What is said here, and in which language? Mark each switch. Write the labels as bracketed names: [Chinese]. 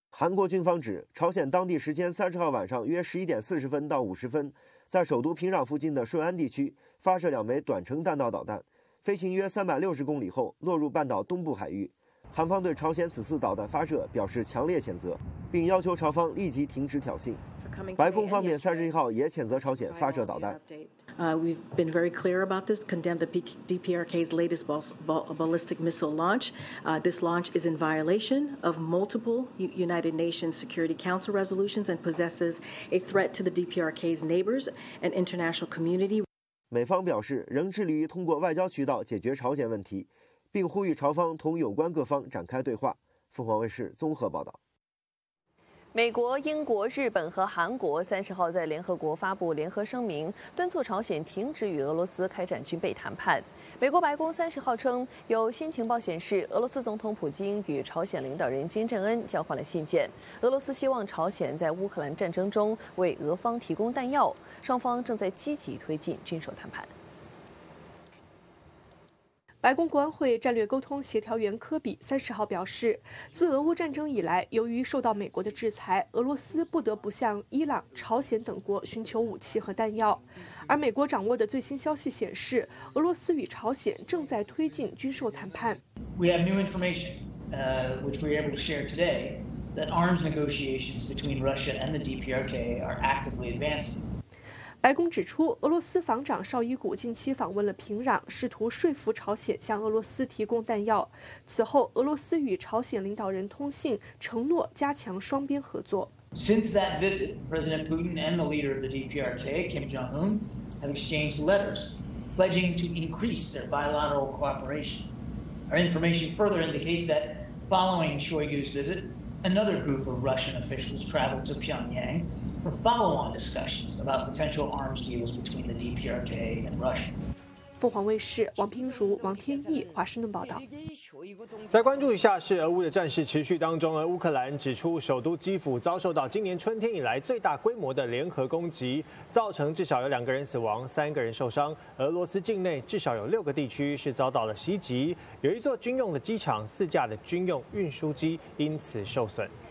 [Chinese] 韩国军方指，朝鲜当地时间30号晚上约11:40到50，在首都平壤附近的顺安地区发射两枚短程弹道导弹，飞行约360公里后落入半岛东部海域。韩方对朝鲜此次导弹发射表示强烈谴责，并要求朝方立即停止挑衅。白宫方面31号也谴责朝鲜发射导弹。 [English] We've been very clear about this, condemned the DPRK's latest ballistic missile launch. This launch is in violation of multiple United Nations Security Council resolutions and possesses a threat to the DPRK's neighbors and international community. [Chinese] 美方表示仍致力于通过外交渠道解决朝鲜问题，并呼吁朝方同有关各方展开对话。凤凰卫视综合报道。美国、英国、日本和韩国30号在联合国发布联合声明，敦促朝鲜停止与俄罗斯开展军备谈判。美国白宫30号称，有新情报显示，俄罗斯总统普京与朝鲜领导人金正恩交换了信件。俄罗斯希望朝鲜在乌克兰战争中为俄方提供弹药，双方正在积极推进军售谈判。白宫国安会战略沟通协调员科比30号表示，自俄乌战争以来，由于受到美国的制裁，俄罗斯不得不向伊朗、朝鲜等国寻求武器和弹药。而美国掌握的最新消息显示，俄罗斯与朝鲜正在推进军售谈判。 [English] We have new information, which we're able to share today, that arms negotiations between Russia and the DPRK are actively advancing. [Chinese] 白宫指出，俄罗斯防长绍伊古近期访问了平壤，试图说服朝鲜向俄罗斯提供弹药。此后，俄罗斯与朝鲜领导人通信，承诺加强双边合作。 [English] Since that visit, President Putin and the leader of the DPRK, Kim Jong-un, have exchanged letters pledging to increase their bilateral cooperation. Our information further indicates that following Shoigu's visit, another group of Russian officials traveled to Pyongyang. For follow-on discussions about potential arms deals between the DPRK and Russia. [Chinese] 凤凰卫视王平如、王天意华盛顿报道。再关注一下，是俄乌的战事持续当中，而乌克兰指出首都基辅遭受到今年春天以来最大规模的联合攻击，造成至少有2个人死亡、3个人受伤。俄罗斯境内至少有6个地区是遭到了袭击，有一座军用的机场、4架的军用运输机因此受损。